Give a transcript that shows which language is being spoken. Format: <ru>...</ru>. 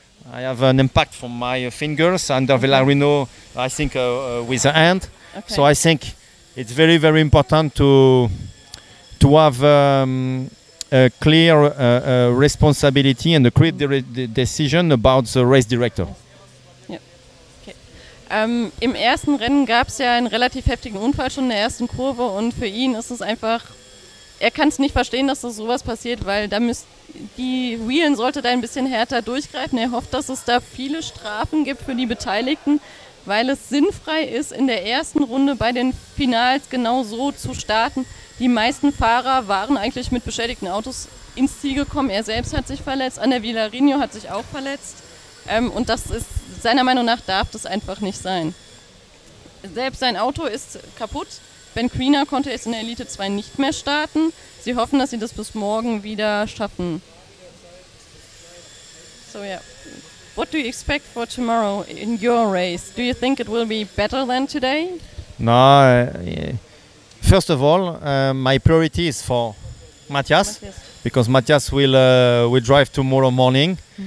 <en>I have an impact from my fingers under Villarino, I think, with the hand. Okay. So I think it's very, very important to have a clear responsibility and a clear decision about the race director. Yeah. Okay.</en> <de>Im ersten Rennen gab es ja einen relativ heftigen Unfall schon in der ersten Kurve, und für ihn ist es einfach, er kann es nicht verstehen, dass das sowas passiert, weil da müsste die Wheelen sollte da ein bisschen härter durchgreifen. Er hofft, dass es da viele Strafen gibt für die Beteiligten, weil es sinnfrei ist, in der ersten Runde bei den Finals genau so zu starten. Die meisten Fahrer waren eigentlich mit beschädigten Autos ins Ziel gekommen. Er selbst hat sich verletzt, Ander Villarino hat sich auch verletzt. Und das ist, seiner Meinung nach, darf das einfach nicht sein. Selbst sein Auto ist kaputt. Ben Crano konnte jetzt in der Elite 2 nicht mehr starten. Sie hoffen, dass sie das bis morgen wieder schaffen.</de> <en>So, yeah. What do you expect for tomorrow in your race? Do you think it will be better than today? No. First of all, my priority is for Matthias. Because Matthias will drive tomorrow morning.</en>